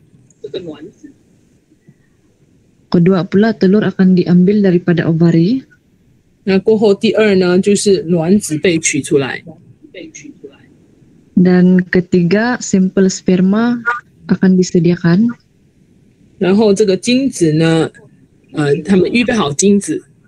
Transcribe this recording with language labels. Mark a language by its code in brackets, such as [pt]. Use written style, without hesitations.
[zh] 那最开始就有荷尔蒙被注射到体内，所以它会让它制作，就是让它有这个卵子。 [ms] Kedua pula telur akan diambil daripada ovari. [zh] 那过后第二呢，就是卵子被取出来。 [ms] Dan ketiga sampel sperma akan disediakan. [zh] 然后这个精子呢，他们预备好精子。